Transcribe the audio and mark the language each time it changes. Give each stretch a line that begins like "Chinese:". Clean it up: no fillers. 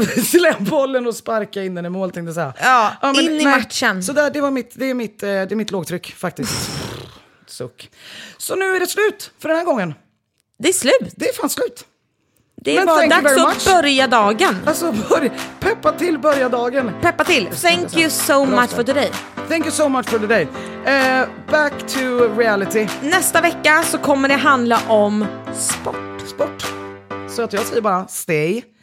Swedish: Släpp bollen och sparka in den i mål, tänkte jag säga. Ja, ja, men, in i matchen. Så där, det är mitt lågtryck faktiskt. Suck. Så nu är det slut för den här gången. Det är slut. Det är fan slut. Det är bara dags att börja dagen. Alltså peppa till börja dagen. Peppa till.
English: Thank you so much for today. Thank you so much for today. Back to reality.
Swedish: Nästa vecka så kommer det handla om sport. Sport. Så att jag säger bara stay